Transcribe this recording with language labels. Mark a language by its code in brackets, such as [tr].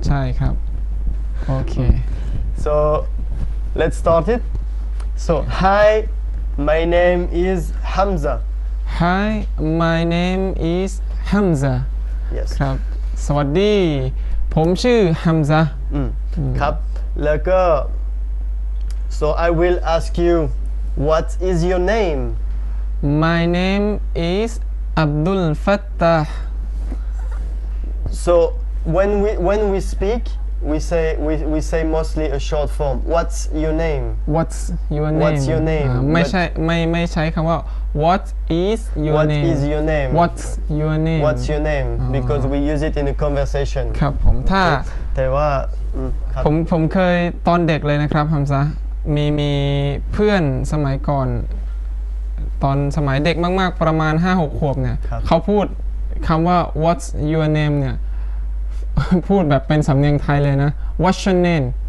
[th] ใช่ครับ [en] Okay. So, let's start it. So, hi, my name is Hamza. Hi, my name is Hamza. Yes. [th] ครับ สวัสดี ผมชื่อ Hamza. ครับ แล้วก็ [en] So, I will ask you, what is your name? My name is Abdul Fattah. So, when we speak,We say mostly a short form. What's your name? What's your name? What's your name? [th] ไม่ใช้คำว่า [en] What is your name? What's your name? Because we use it in a conversation. [th] ครับผมถ้า แต่ว่า ผมเคยตอนเด็กเลยนะครับฮัมซะมีเพื่อนสมัยก่อนตอนสมัยเด็กมากๆประมาณ 5-6 ขวบเนี่ยเขาพูดคำว่า [en] what's your name [th] เนี่ยพูดแบบเป็นสำเนียงไทยเลยนะ what's your name